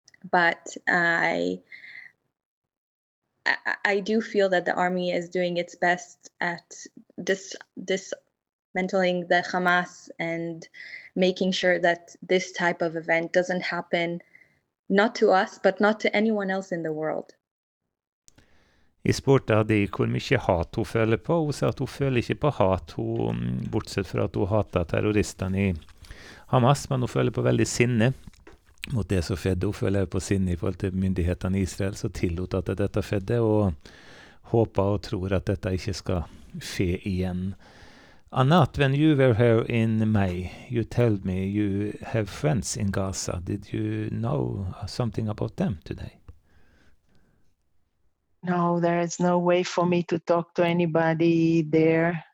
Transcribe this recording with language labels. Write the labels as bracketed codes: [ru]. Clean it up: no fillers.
[en] But I do feel that the army is doing its best at dismantling the Hamas and making sure that this type of event doesn't happen, not to us, but not to anyone else in the world. [no] Jeg spurte Adi hvor mye hat hun føler på. Hun sa at hun føler ikke på hat, hun, bortsett fra at hun hatet terroristerne I Hamas, men hun føler på veldig sinne mot det som skjedde. Hun føler på sinne I forhold til myndighetene I Israel, så tillot at dette skjedde, og håper og tror at dette ikke skal skje igjen. [en] Anat, when you were here in May, you told me you have friends in Gaza. Did you know something about them today? No, there is no way for me to talk to anybody there.